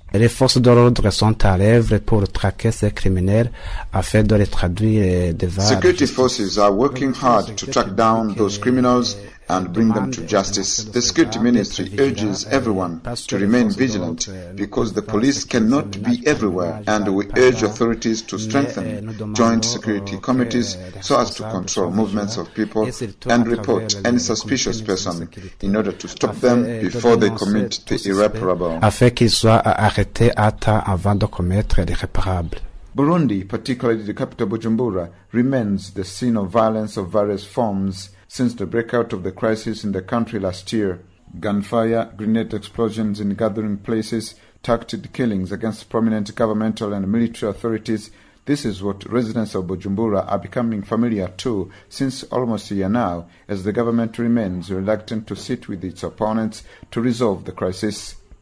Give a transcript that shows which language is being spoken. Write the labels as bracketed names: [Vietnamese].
[French] Les forces de l'ordre sont à l'œuvre pour traquer ces criminels afin de les traduire devant. [English] Security forces are working hard to track down those criminals and bring them to justice. The security ministry urges everyone to remain vigilant because the police cannot be everywhere, and we urge authorities to strengthen joint security committees so as to control movements of people and report any suspicious person in order to stop them before they commit the irreparable. [French] Afin qu'ils soient arrêtés à temps avant de commettre l'irréparable. [English] Burundi, particularly the capital Bujumbura, remains the scene of violence of various forms since the breakout of the crisis in the country last year. Gunfire, grenade explosions in gathering places, targeted killings against prominent governmental and military authorities, this is what residents of Bujumbura are becoming familiar to since almost a year now, as the government remains reluctant to sit with its opponents to resolve the crisis.